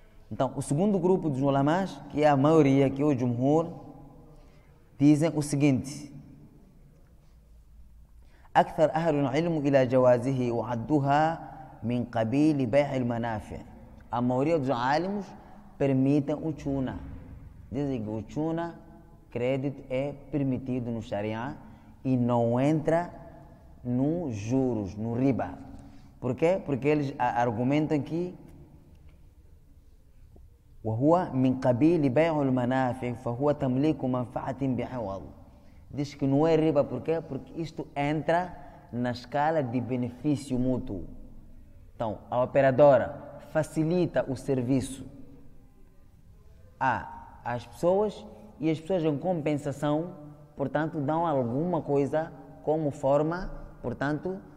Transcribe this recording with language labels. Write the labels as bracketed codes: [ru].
[pt] Então, o segundo grupo dos ulamás, que é a maioria, que é o Jumhur, dizem o seguinte: [ar] أكثر أهل العلم إلى جوازه وعدوها من قبيل بيع المنافع. [pt] A maioria dos álimos permitem o tuna. Dizem que o tuna, crédito, é permitido no Sharia e não entra nos juros, no riba. Por quê? Porque eles argumentam que [ar] وهو من قبيل بيع المنافع فهو تمليك منفعة بعوض. [pt] Diz que não é riba, por quê? Porque isto entra na escala de benefício mútuo. Então, a operadora facilita o serviço às pessoas e as pessoas, em compensação, portanto, dão alguma coisa como forma, portanto,